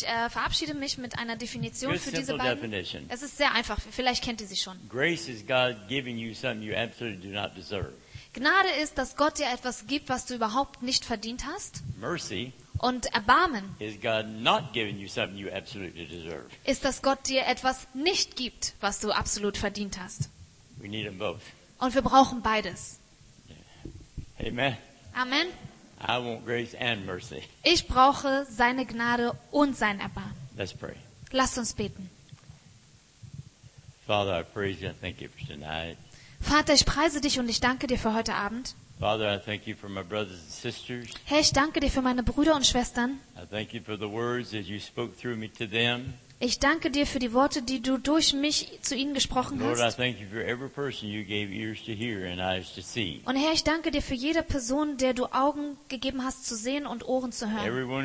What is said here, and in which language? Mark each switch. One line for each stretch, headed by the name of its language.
German: Verabschiede mich mit einer Definition für diese beiden. Definition. Es ist sehr einfach, vielleicht kennt ihr sie schon.
English: Grace is God giving you something you absolutely do not deserve.
German: Gnade ist, dass Gott dir etwas gibt, was du überhaupt nicht verdient hast.
English: Mercy.
German: Und Erbarmen
English: is God not giving you something you absolutely deserve.
German: Ist, dass Gott dir etwas nicht gibt, was du absolut verdient hast.
English: We need them both.
German: Und wir brauchen beides.
English: Amen.
German: Amen.
English: I want grace and mercy.
German: Ich brauche seine Gnade und sein Erbarmen.
English: Let's pray.
German: Lasst uns beten.
English: Father, I praise you and thank you for tonight.
German: Vater, ich preise dich und ich danke dir für heute Abend.
English: Father, I thank you for my brothers and sisters.
German: Herr, ich danke dir für meine Brüder und Schwestern.
English: I thank you for the words that you spoke through me to them.
German: Ich danke dir für die Worte, die du durch mich zu ihnen gesprochen hast. Und Herr, ich danke dir für jede Person, der du Augen gegeben hast, zu sehen und Ohren zu hören.